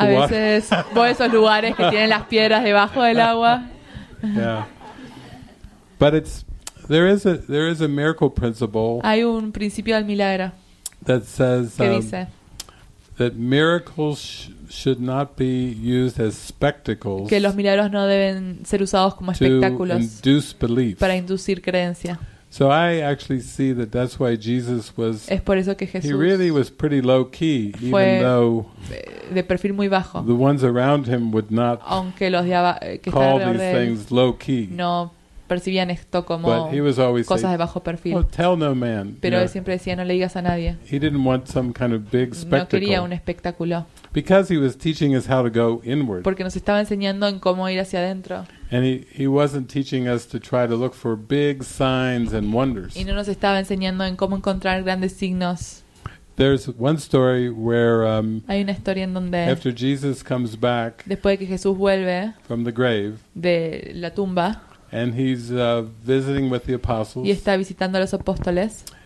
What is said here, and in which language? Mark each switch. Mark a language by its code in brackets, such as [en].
[en] the water. [es] A veces voy a esos lugares que tienen las piedras debajo del agua. [en] Yeah. But there is a miracle principle. [es] Hay un principio del milagro. [en] That says [es] que dice, [en] that miracles should not be used as spectacles. [es] Que los milagros no deben ser usados como espectáculos. [en] To induce belief. [es] Para inducir creencia. [en] So I actually see that that's why Jesus was. [es] Es por eso que Jesús. [en] He really was pretty low key, even though. [es] De perfil muy bajo. [en] The ones around him would not. [es] Aunque los de abajo. [en] Call these things low key. [es] No percibían esto como cosas de bajo perfil. [en] Well, tell no man. [es] Pero él siempre decía, no le digas a nadie. [en] He didn't want some kind of big spectacle. [es] No quería un espectáculo. [en] Because he was teaching us how to go inward. [es] Porque nos estaba enseñando en cómo ir hacia adentro. [en] And he wasn't teaching us to try to look for big signs and wonders. [es] Y no nos estaba enseñando en cómo encontrar grandes signos. [en] There's one story where [es] hay una historia en donde [en] after Jesus comes back, [es] después de que Jesús vuelve [en] from the grave, [es] de la tumba, [en] and he's visiting with the apostles, [es] y está visitando a los apóstoles,